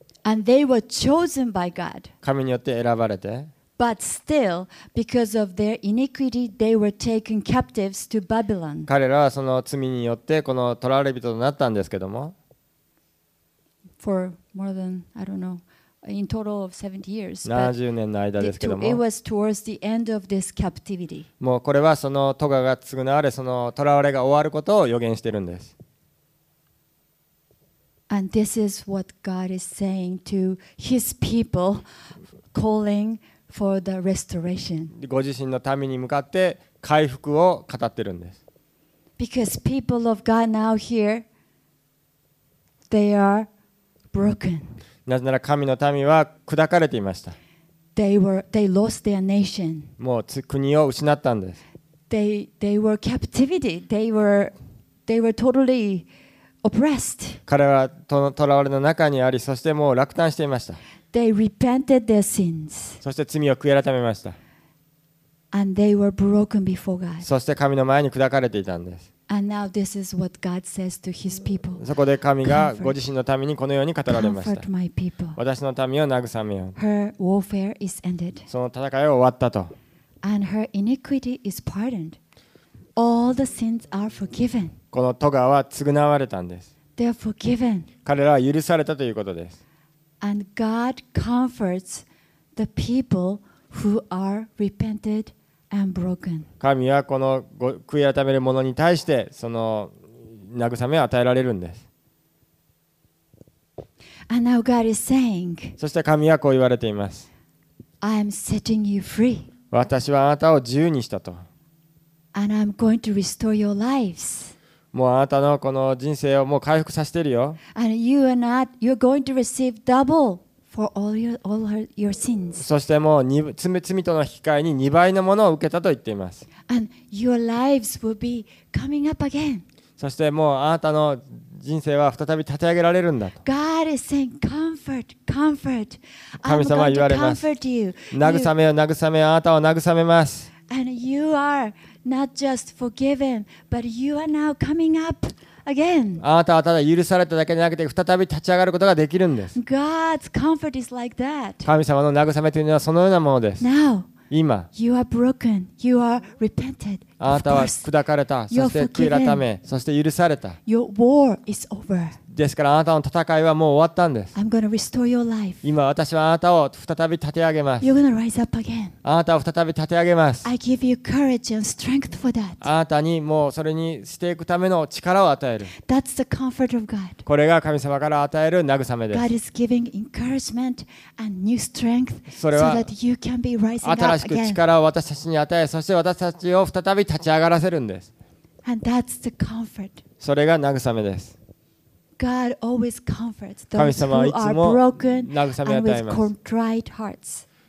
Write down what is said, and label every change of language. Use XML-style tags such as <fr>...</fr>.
<en>and they were chosen by God.</en> <ja>神によって選ばれて、</ja> <en>but still, because of their iniquity, they were taken captives to Babylon.</en> <ja>彼らはその罪によってこの囚われ人となったんですけども、</ja> <en>for more than I don't know. In total of 70 years,</en> <ja>70年の間ですけども、</ja> <en>it was towards the end of this captivity.</en> <ja>もうこれはその咎が償われ、その囚われが終わることを予言しているんです。</ja> <en>And this is what God is saying to His people, calling for the restoration.</en> <ja>ご自身の民に向かって回復を語っているんです。</ja> <en>Because people of God now here, they are broken.</en> <ja>なぜなら神の民は砕かれていました。</ja> <en>They lost their nation.</en> <ja>もう国を失ったんです。</ja> <en>They were captivity. They were totally oppressed.</en> <ja>彼は囚われの中にあり、そしてもう落胆していました。</ja> <en>They repented their sins.</en> <ja>そして罪を悔い改めました。</ja> <en>And they were broken before God.</en> <ja>そして神の前に砕かれていたんです。</ja> <en>And now this is what God says to His people.</en> <ja>そこで神がご自身の民にこのように語られました。</ja> <en>Comfort my people.</en> <ja>私の民を慰めよ。</ja> <en>Her warfare is ended.</en> <ja>その戦いは終わったと。</ja> <en>And her iniquity is pardoned. All the sins are forgiven.</en> <ja>この咎は償われたんです。</ja> <en>They are forgiven.</en> <ja>彼らは許されたということです。</ja> <en>And God comforts the people who are repented. And broken.</en> <ja>神はこの悔い改める者に対してその慰めを与えられるんです。</ja> <en>And now God is saying,</en> <ja>そして神はこう言われています。</ja> <en>I am setting you free.</en> <ja>私はあなたを自由にしたと。</ja> <en>And I'm going to restore your lives.</en> <ja>もうあなたのこの人生をもう回復させているよ。</ja> <en>And you are not, you're going to receive double. For all your sins.</en> <ja>そしてもう罪との引き換えに2倍のものを受けたと言っています。</ja> <en>And your lives will be coming up again.</en> <ja>そしてもうあなたの人生は再び立て上げられるんだと。</ja> <en>God is saying, comfort, comfort.</en> <ja>神様は言われます。</ja> <en>Comfort you.</en> <ja>慰めよ、慰めよ、あなたを慰めます。</ja> <en>And you are not just forgiven, but you are now coming up. Again.</en> <ja>あなたはただ許されただけでなくて再び立ち上がることができるんです。</ja> <en>God's comfort is like that.</en> <ja>神様の慰めというのはそのようなものです。</ja> <en>Now,</en> <ja>今、</ja> <en>you are broken. You are repented.</en> <ja>あなたは砕かれた、そして悔い改め、そして許された。</ja> <en>Your war is over.</en> <ja>ですからあなたの戦いはもう終わったんです。</ja> <en>I'm gonna restore your life.</en> <ja>今私はあなたを再び立て上げます。</ja> <en>You're gonna rise up again.</en> <ja>あなたを再び立て上げます。</ja> <en>I give you courage and strength for that.</en> <ja>あなたにもうそれにしていくための力を与える。</ja> <en>That's the comfort of God.</en> <ja>これが神様から与える慰めです。</ja> <en>God is giving encouragement and new strength so that you can be rising up again.</en> <ja>それは新しく力を私たちに与え、そして私たちを再び立ち上がらせるんです。</ja> <en>And that's the comfort.</en> <ja>それが慰めです。</ja> <en>God always comforts those who are broken and with contrite hearts.</en>